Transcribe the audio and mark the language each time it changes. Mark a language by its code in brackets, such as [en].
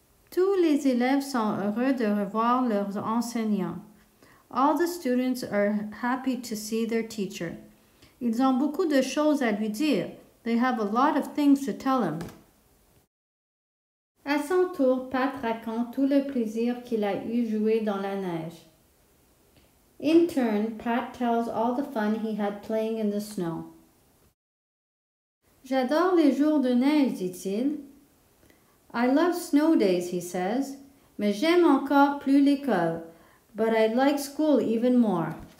[fr] Tous les élèves sont heureux de revoir leurs enseignants. [en] All the students are happy to see their teacher. [fr] Ils ont beaucoup de choses à lui dire. [en] They have a lot of things to tell him. [fr] À son tour, Pat raconte tout le plaisir qu'il a eu jouer dans la neige. [en] In turn, Pat tells all the fun he had playing in the snow. [fr] J'adore les jours de neige, dit-il. [en] I love snow days, he says. [fr] Mais j'aime encore plus l'école. [en] But I like school even more.